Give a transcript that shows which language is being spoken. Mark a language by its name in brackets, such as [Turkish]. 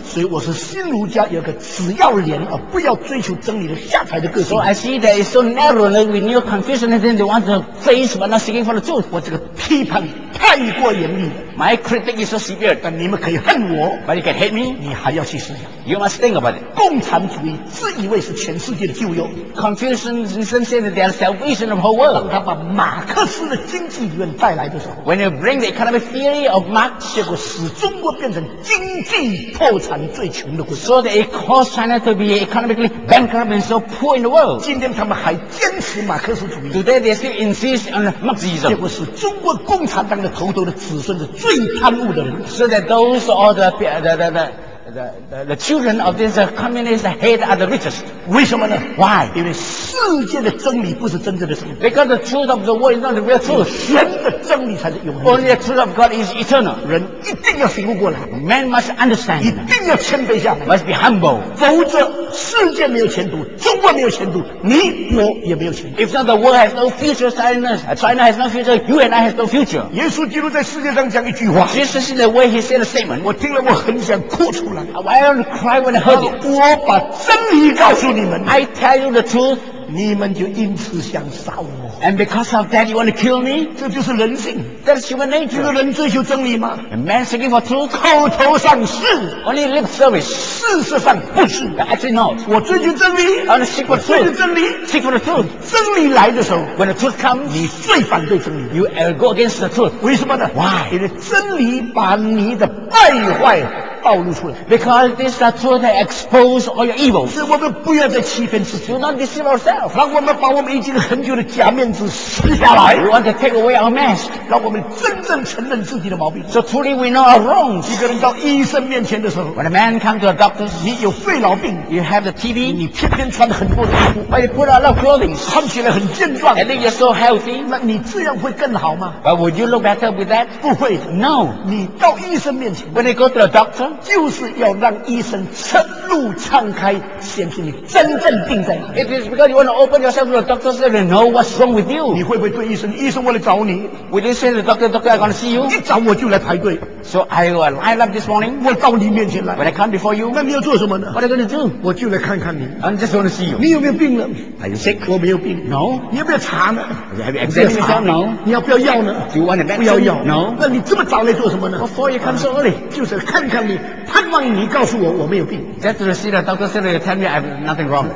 [Chinese] 所以我是新儒家有个只要脸而不要追求真理的下台的个性 [English] so I see that it's so narrow that we knew Confucius and then they want to face but not seeking for the truth [Chinese] 我这个批判太过严厉 [English] my critic is so severe [Chinese] 但你们可以恨我 [English] but you can hate me [Chinese] 你还要去思想 [English] you must think about it [Chinese] 共产主义自以为是全世界的救药 [English] Confucius said that they are salvation of the whole world [Chinese] 当他把马克思的经济理论带来的时候 [English] when you bring the economic theory of Marx [Chinese] 结果使中国变成经济破产最穷的国家 [English] so that it caused China to be economically bankrupt and so poor in the world [Chinese] 今天他们还坚持马克思主义 [English] today they still insist on Marxism [Chinese] 结果使中国共产党的头头的子孙是最贪污的人 [English] so that those are the children of this communist hate are the richest [Chinese] 为什么呢 [English] why [Chinese] 因为世界的真理不是真正的真理 [English] because the truth of the world is not the real truth [Chinese] 神的真理才是永恒 [English] only the truth of God is eternal [Chinese] 人一定要醒悟过来 [English] man must understand [Chinese] 一定要谦卑下来 [English] must be humble [Chinese] 否则世界没有前途中国没有前途你我也没有前途 [English] if not the world has no future China has no future you and I has no future [Chinese] 耶稣基督在世界上讲一句话 [English] Jesus in the way he said a statement [Chinese] 我听了我很想哭出来 [English] I don't cry when I heard it. [Chinese] 我把真理告诉你们。 [English] I tell you the truth. [Chinese] 你们就因此想杀我。 [English] And because of that, you want to kill me? [Chinese] 这就是人性。 [English] That's human nature. [Chinese] 这个人追求真理吗 [English] ？A man seeking for truth. [Chinese] 口头上是 [English] ，only lip service. [Chinese] 事实上不是。 [English] Actually not. [Chinese] 我追求真理。 [English] I want to seek for truth. [Chinese] 追求真理。 [English] Seek for the truth. [Chinese] 真理来的时候 [English] ，when the truth comes， [Chinese] 你最反对真理。 [English] You go against the truth. [Chinese] 为什么呢 [English] ？Why？ [Chinese] 因为真理把你的败坏。暴露出来。 [English] Because this is truth that expose all your evils. [Chinese] 所以我们不要再欺骗自己。 [English] Do not deceive ourselves. [Chinese] 让我们把我们已经很久的假面子撕下来。 [English] We want to take away our mask. [Chinese] 让我们真正承认自己的毛病。 [English] So truly we know our wrongs. [Chinese] 一个人到医生面前的时候。 [English] When a man comes to a doctor, [Chinese] 你有肺痨病。 [English] You have the TB. [Chinese] 你偏偏穿很多的衣服。 [English] But you put on a lot of clothing. [Chinese] 看起来很健壮。 [English] And then you're so healthy. [Chinese] 那你这样会更好吗？ [English] But would you look better with that? [Chinese] 不会。 [English] No. [Chinese] 你到医生面前。 [English] When you go to a doctor, [Chinese] 就是要让医生彻露敞开，显出你真正病在哪。 [English] It is because you want to open yourself to the doctor so they know what's wrong with you. [Chinese] 你会不会对医生，医生我来找你。 [English] Would you say to the doctor, doctor, I'm going to see you? [Chinese] 一找我就来排队。 [English] So I will line up this morning. [Chinese] 我到你面前来。 [English] When I come before you. [Chinese] 那你要做什么呢？ [English] What are you going to do? [Chinese] 我就来看看你。 [English] I'm just going to see you. [Chinese] 你有没有病了？ [English] Are you sick? [Chinese] 我没有病。 [English] No. [Chinese] 你要不要查呢？ [English] Have you examined yourself? No. [Chinese] 你要不要药呢？ [English] Do you want a medicine? [Chinese] 不要药。 [English] No. [Chinese] 那你这么早来做什么呢？ [English] Before you come so early. [Chinese] 就是看看你，盼望你告诉我我没有病。 [English] That's the see the doctor said you tell me I have nothing wrong.